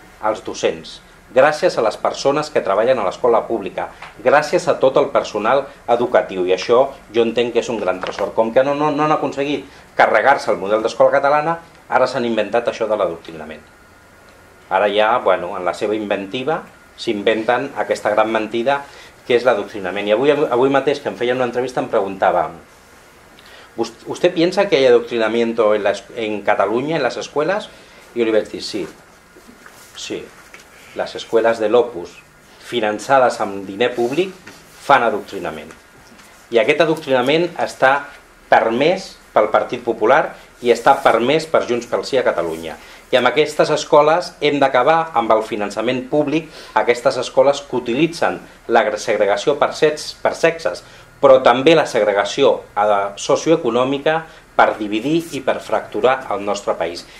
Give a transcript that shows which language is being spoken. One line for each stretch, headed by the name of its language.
Catalan: als docents, gràcies a les persones que treballen a l'escola pública, gràcies a tot el personal educatiu, i això jo entenc que és un gran tresor. Com que no han aconseguit carregar-se el model d'escola catalana, ara s'han inventat això de l'adoctrinament. Ara ja, bueno, en la seva inventiva, s'inventen aquesta gran mentida que és l'adoctrinament. I avui mateix, que em feien una entrevista, em preguntava:
Spanish: ¿Usted piensa que hay adoctrinamiento en Cataluña, en las escuelas?
Catalan: I jo li vaig dir, sí. Les escoles de l'Opus, finançades amb diner públic, fan adoctrinament. I aquest adoctrinament està permès pel Partit Popular i està permès per Junts pel Sí a Catalunya. I amb aquestes escoles hem d'acabar amb el finançament públic, aquestes escoles que utilitzen la segregació per sexes, però també la segregació socioeconòmica per dividir i per fracturar el nostre país.